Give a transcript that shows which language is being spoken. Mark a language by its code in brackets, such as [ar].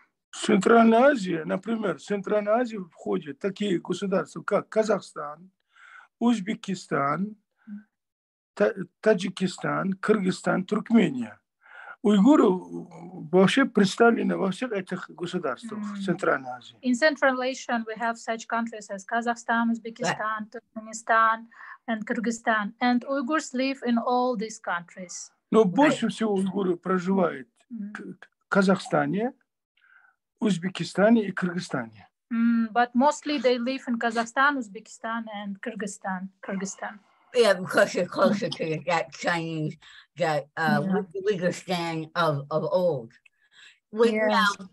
[ru] Центральная Азия, например, в Центральную Азию входят такие государства, как Казахстан, Узбекистан, Таджикистан, Кыргызстан, Туркмения. Уйгуры вообще представлены во всех этих государствах в Центральной Азии. [en] In Central Asia, we have such countries as Kazakhstan, Uzbekistan, Turkmenistan, and Kyrgyzstan. And Uyghurs live in all these countries. [ru] Но больше всего уйгуры проживают в Казахстане, Узбекистане и Кыргызстане. [en] But mostly they live in Kazakhstan, Uzbekistan, and Kyrgyzstan. Yeah, because you're closer to that Chinese, that Uyghurstan of old. Yeah.